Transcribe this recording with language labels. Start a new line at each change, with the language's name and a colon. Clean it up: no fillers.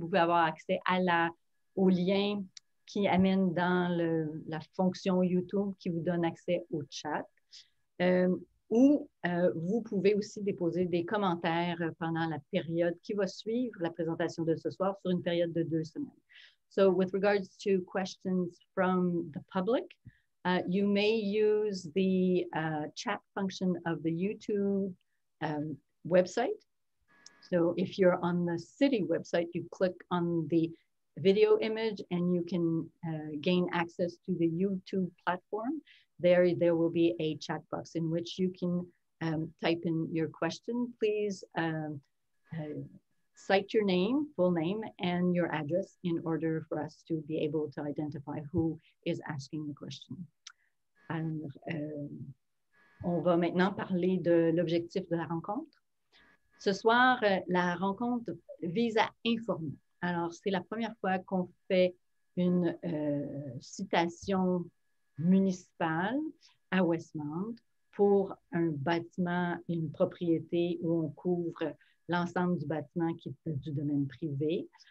French: Vous pouvez avoir accès à au lien qui amène dans la fonction YouTube qui vous donne accès au chat. Ou vous pouvez aussi déposer des commentaires pendant la période qui va suivre la présentation de ce soir sur une période de 2 semaines.
English: So with regards to questions from the public, you may use the chat function of the YouTube website. So if you're on the city website, you click on the video image and you can gain access to the YouTube platform. There will be a chat box in which you can type in your question. Please cite your name, full name, and your address in order for us to be able to identify who is asking the question.
French: Alors, on va maintenant parler de l'objectif de la rencontre. Ce soir, la rencontre vise à informer. Alors, c'est la première fois qu'on fait une citation municipale à Westmount pour un bâtiment, une propriété où on couvre l'ensemble du bâtiment qui est du domaine privé.